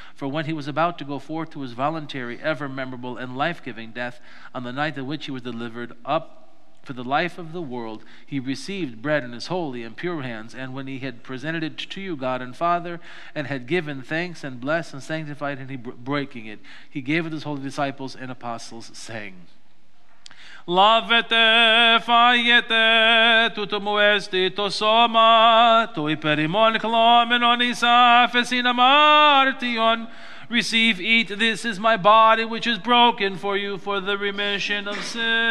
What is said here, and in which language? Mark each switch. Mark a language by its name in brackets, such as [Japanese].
[English] For when he was about to go forth to his voluntary, ever memorable, and life-giving death, on the night in which he was delivered up for the life of the world, he received bread in his holy and pure hands, and when he had presented it to you, God and Father, and had given thanks and blessed and sanctified, and he breaking it, he gave it to his holy disciples and apostles, saying, [Greek] Λάβετε, φάγετε, τούτο μου έστει το σώμα, το υπέρ ημών κλώμενον εις άφεσιν αμάρτιον. [English] Receive, eat, this is my body which is broken for you for the remission of sins.